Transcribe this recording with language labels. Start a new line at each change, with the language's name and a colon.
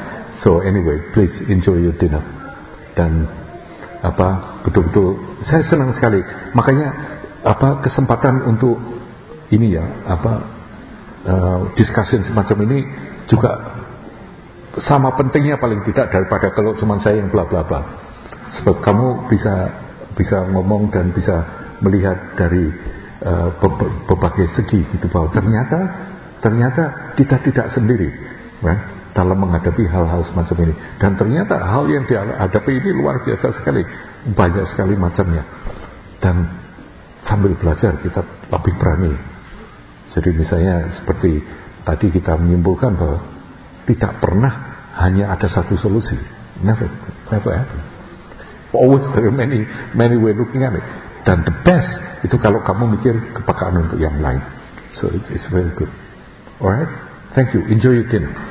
English: So anyway, please enjoy your dinner.
Indonesian: Dan apa betul-betul saya senang sekali, makanya apa kesempatan untuk ini ya apa discussion semacam ini juga sama pentingnya paling tidak daripada kalau cuma saya yang bla bla bla, sebab kamu bisa ngomong dan bisa melihat dari berbagai segi gitu bahwa ternyata kita tidak sendiri kan dalam menghadapi hal-hal semacam ini, dan ternyata hal yang dihadapi ini luar biasa sekali, banyak sekali macamnya, dan sambil belajar kita lebih berani. Jadi misalnya seperti tadi kita menyimpulkan bahwa tidak pernah hanya ada satu solusi,
English: never happen, always there are many way looking at it,
Indonesian: dan
English: the best
Indonesian: itu kalau kamu mikir kepekaan untuk yang lain.
English: So it's very good. Alright, thank you, enjoy your dinner.